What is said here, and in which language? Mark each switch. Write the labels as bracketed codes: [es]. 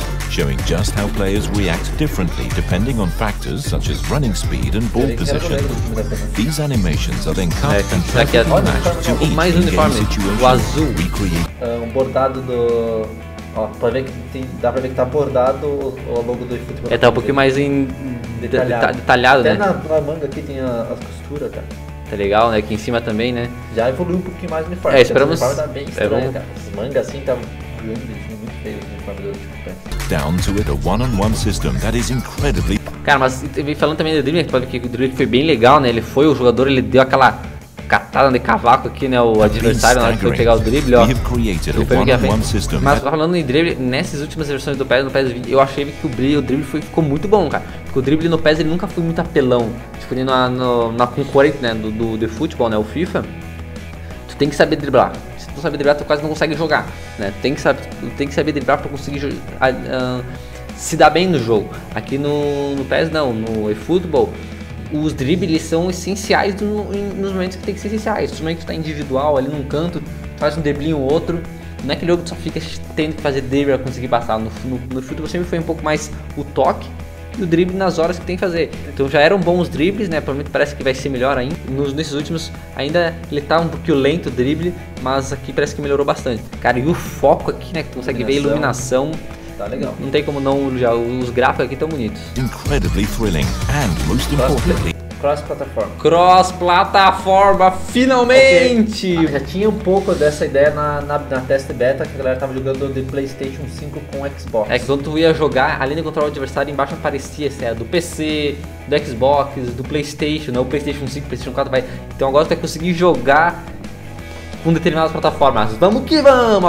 [en] Showing just how players react differently depending on factors such as running speed and ball position. These animations are then cut and perfectly matched to each in-game situation. [pt] O azul. Um bordado do... Ó, pra ver que tem... dá pra ver que tá bordado o logo do futebol. É, tá um pouquinho mais em... detalhado, até né? Até na manga aqui tem as costuras, cara. Tá legal, né? Aqui em cima também, né? Já evoluiu um pouquinho mais o uniforme. É, esperamos... O uniforme tá bem estranho, cara. As mangas assim tá muito feio o uniforme do futebol. [en] Down to it, a one-on-one system that is incredibly... [pt] Cara, mas falando também do Dribbling, pode ver que o Dribbling foi bem legal, né? Ele foi o jogador, ele deu aquela catada de cavaco aqui, né? O adversário na hora que foi pegar o Dribbling, ó. [en] We have created a one-on-one system. [pt] Mas falando em Dribbling, nessas últimas versões do PES, no PES 20, eu achei que o Dribbling ficou muito bom, cara. Porque o Dribbling no PES, ele nunca foi muito apelão. Tipo, na concorrente, né? Do futebol, né? O FIFA. Tu tem que saber driblar. Se tu não sabe driblar, tu quase não consegue jogar, né? Tem que saber driblar pra conseguir se dar bem no jogo. Aqui no PES não, no eFootball, os dribles são essenciais nos momentos que tem que ser essenciais. Se o momento que tu tá individual ali num canto, faz um driblinho ou outro, não é aquele jogo que tu só fica tendo que fazer drible pra conseguir passar. No eFootball sempre foi um pouco mais o toque e o drible nas horas que tem que fazer. Então já eram bons dribles, né? Pra mim parece que vai ser melhor ainda. Nesses últimos ainda ele tá um pouquinho lento o drible, mas aqui parece que melhorou bastante. Cara, e o foco aqui, né? Que tu consegue ver a iluminação. Tá legal. Não tem como não, já os gráficos aqui estão bonitos. [en] Incredibly thrilling and most importantly. [pt] Cross-plataforma, finalmente! Okay. Já tinha um pouco dessa ideia na test beta, que a galera tava jogando de PlayStation 5 com Xbox. É que quando tu ia jogar, além de controlar o adversário, embaixo aparecia, se era do PC, do Xbox, do PlayStation, né? O PlayStation 5, PlayStation 4, vai. Então agora tu vai conseguir jogar com determinadas plataformas. Vamos que vamos!